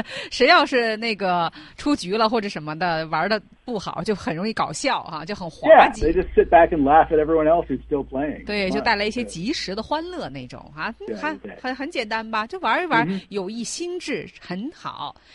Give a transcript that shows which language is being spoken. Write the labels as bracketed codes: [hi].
[zh] 谁要是那个出局了或者什么的，玩的不好，就很容易搞笑哈，就很滑稽。 [en] Yeah, they just sit back and laugh at everyone else who's still playing. [zh] 对，就带来一些及时的欢乐那种哈，很简单吧，就玩一玩，有益心智，很好。